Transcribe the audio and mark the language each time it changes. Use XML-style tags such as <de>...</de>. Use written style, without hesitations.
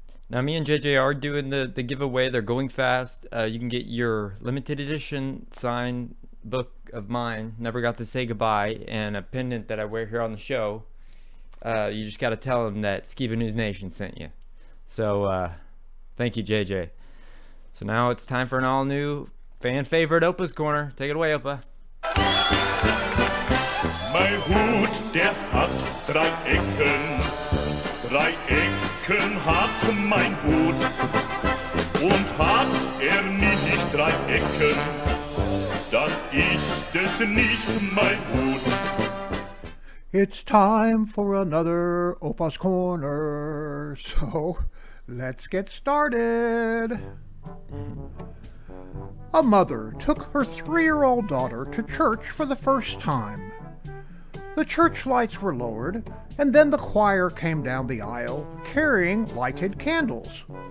<en>Now, me and JJ are doing the giveaway. They're going fast. You can get your limited edition signed book of mine, Never Got to Say Goodbye, and a pendant that I wear here on the show. You just got to tell them that Skiba News Nation sent you. So thank you, JJ. So now it's time for an all new fan favorite Opa's Corner. Take it away, Opa.</en> <de>Mein Hut, der hat drei Ecken. Drei Ecken hat mein Hut. Und hat nicht drei Ecken, dann ist es nicht mein Hut.</de> <en>It's time for another Opa's Corner. So let's get started. A mother took her 3-year-old daughter to church for the first time. The church lights were lowered, and then the choir came down the aisle carrying lighted candles.</en>